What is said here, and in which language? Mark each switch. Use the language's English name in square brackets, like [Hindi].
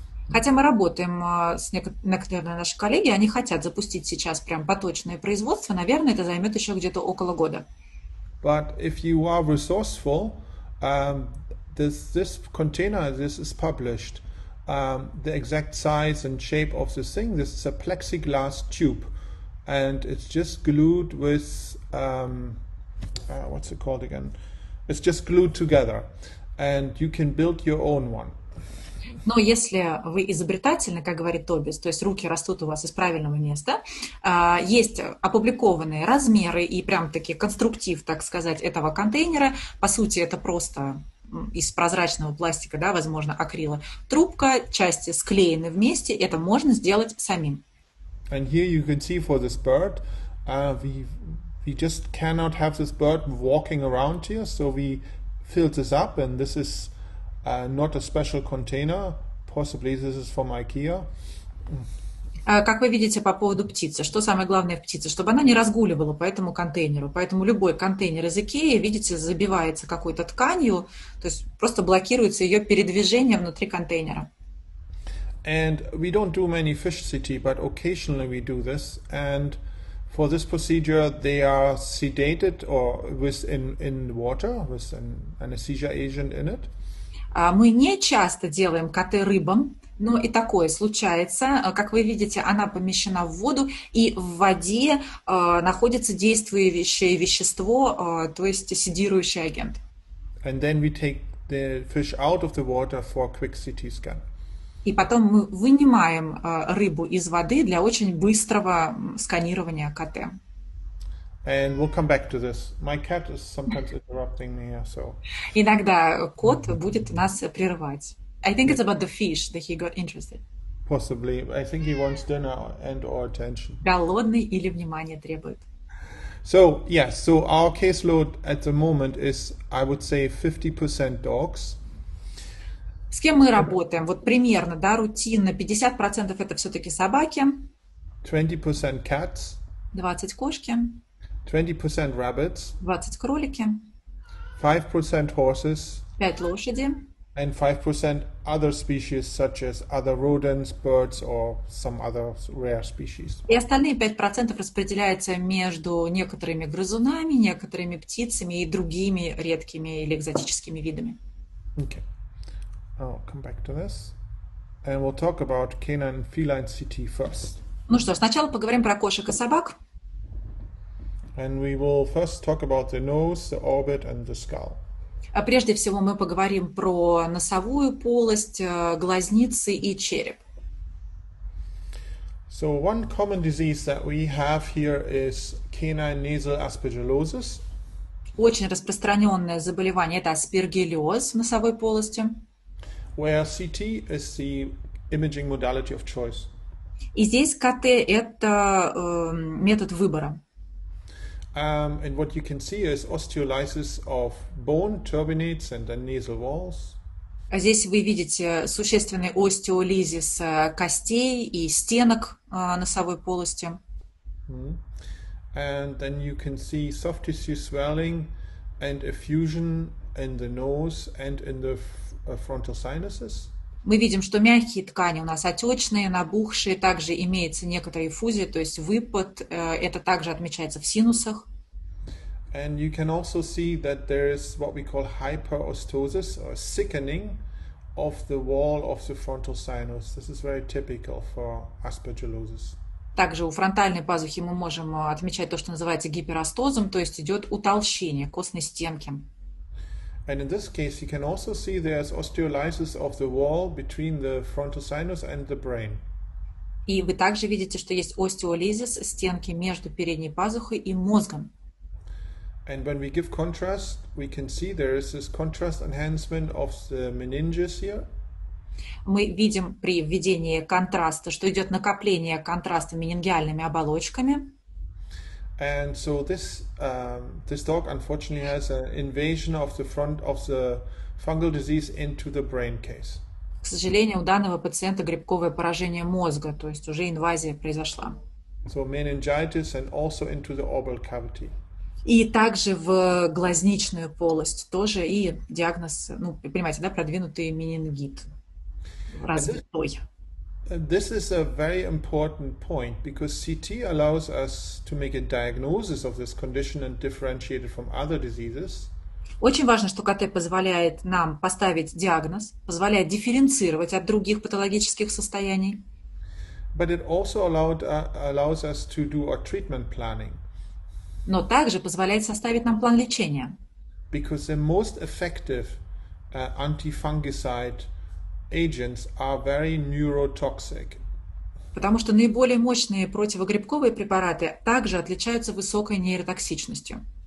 [Russian] Хотя мы работаем с некоторыми наши коллеги, они хотят запустить сейчас прям поточное производство, наверное, это займет еще где-то около года. [English] But if you are resourceful, this container, this is published. The exact size and shape of this thing. This is a plexiglass tube, and it's just glued with what's it called again? It's just glued together, and you can build your own one. [Russian] Но если вы изобретательны, как говорит Тобис, то есть руки растут у вас из правильного места, есть опубликованные размеры и прям-таки конструктив, так сказать, этого контейнера. По сути, это просто из прозрачного пластика, да, возможно, акрила. Трубка, части склеены вместе, это можно сделать самим. [English] And here you can see for this bird, we just cannot have this bird walking around here, so we filled this up, and this is not a special container, possibly this is from IKEA. [Russian] Как вы видите по поводу птицы, что самое главное в птице, чтобы она не разгуливала по этому контейнеру, поэтому любой контейнер из IKEA, видите, забивается какой-то тканью, то есть просто блокируется ее передвижение внутри контейнера. [English] And we don't do many fish CT, but occasionally we do this. And for this procedure, they are sedated or with in water with an anesthesia agent in it. [Russian] Мы не часто делаем КТ рыбам, но и такое случается. Как вы видите, она помещена в воду, и в воде находится действующее вещество, то есть седирующий агент. [English] And then we take the fish out of the water for a quick CT scan. [Russian] И потом мы вынимаем рыбу из воды для очень быстрого сканирования КТ. [English] And we'll come back to this. My cat is sometimes interrupting me, so. [Russian] Иногда кот будет нас прерывать. [English] I think it's about the fish that he got interested. Possibly. I think he wants dinner and or attention. [Russian] Голодный или внимание требует. [English] So, yes, so our caseload at the moment is, I would say, 50% dogs. [Russian] С кем мы работаем? Вот примерно, да, рутинно. 50% это все-таки собаки. [English] 20% cats. [Russian] 20 кошки. [English] 20% rabbits. [Russian] 20 кролики. [English] 5% horses. [Russian] 5 лошади. [English] And 5% other species, such as other rodents, birds, or some other rare species. [Russian] И остальные 5% распределяются между некоторыми грызунами, некоторыми птицами и другими редкими или экзотическими видами. [English] Okay. I'll come back to this. And we'll talk about canine feline CT first. [Russian] Ну что, сначала поговорим про кошек и собак. [English] And we will first talk about the nose, the orbit, and the skull. [Russian] А прежде всего мы поговорим про носовую полость, глазницы и череп. [English] So one common disease that we have here is canine nasal aspergillosis. [Russian] Очень распространенное заболевание – это аспергиллез в носовой полости. [English] Where CT is the imaging modality of choice. [Russian] И здесь КТ – это метод выбора. [English] And what you can see is osteolysis of bone turbinates and then nasal walls. [Russian] Здесь вы видите существенный остеолизис костей и стенок носовой полости. [English] And then you can see soft tissue swelling and effusion in the nose and in the frontal sinuses. [Russian] Мы видим, что мягкие ткани у нас отечные, набухшие, также имеется некоторая эффузия, то есть выпад, это также отмечается в синусах. [English] And you can also see that there is what we call hyperostosis, or thickening of the wall of the frontal sinus. This is very typical for aspergillosis. [Russian] Также у фронтальной пазухи мы можем отмечать то, что называется гиперостозом, то есть идет утолщение костной стенки. [English] And in this case, you can also see there's osteolysis of the wall between the frontal sinus and the brain. [Russian] И вы также видите, что есть остеолизис стенки между передней пазухой и мозгом. [English] And when we give contrast, we can see there is this contrast enhancement of the meninges here. [Russian] Мы видим при введении контраста, что идет накопление контраста менингиальными оболочками. [English] And so this this dog unfortunately has an invasion of the front of the fungal disease into the brain case. [Russian] К сожалению, у данного пациента грибковое поражение мозга, то есть уже инвазия произошла. [English] So meningitis and also into the orbital cavity. [Russian] И также в глазничную полость тоже и диагноз, ну, понимаете, да, продвинутый менингит. Развитой. [English] This is a very important point because CT allows us to make a diagnosis of this condition and differentiate it from other diseases. [Russian] Очень важно, что КТ позволяет нам поставить диагноз, позволяет дифференцировать от других патологических состояний. [English] But it also allows us to do our treatment planning. [Russian] Но также позволяет составить нам план лечения. [English] Because the most effective antifungicide agents are very neurotoxic. [Russian] Потому что наиболее мощные противогрибковые препараты также отличаются высокой нейротоксичностью.